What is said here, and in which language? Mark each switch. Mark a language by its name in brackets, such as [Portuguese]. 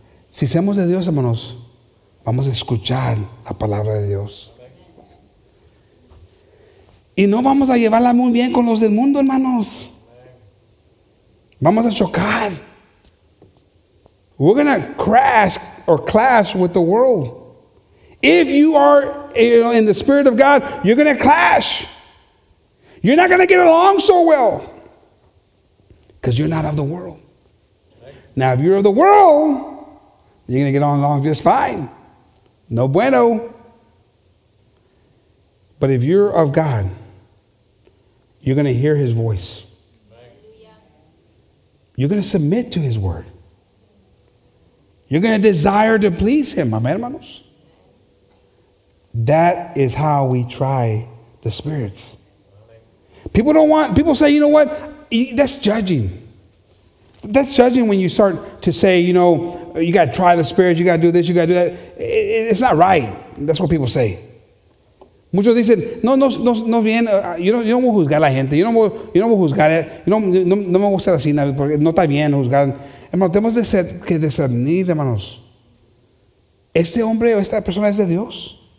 [Spanish] Si somos de Dios, hermanos, vamos a escuchar la palabra de Dios. Y no vamos a llevarla muy bien con los del mundo, hermanos. Vamos a chocar. [English] We're going to crash or clash with the world. If you are, you know, in the Spirit of God, you're going to clash. You're not going to get along so well because you're not of the world. Now, if you're of the world, you're going to get along just fine. [Spanish] No bueno. [English] But if you're of God, you're going to hear His voice. You're going to submit to His word. You're going to desire to please him, amen, hermanos. That is how we try the spirits. People don't want, people say, you know what? That's judging. That's judging when you start to say, you know, you got to try the spirits, you got to do this, you got to do that. It's not right. That's what people say. [Spanish] Muchos dicen, no bien, yo no voy a juzgar a la gente, yo no voy a juzgar, no me gusta así, porque no está bien juzgar. Hermanos, tenemos que discernir, hermanos. ¿Este hombre o esta persona es de Dios?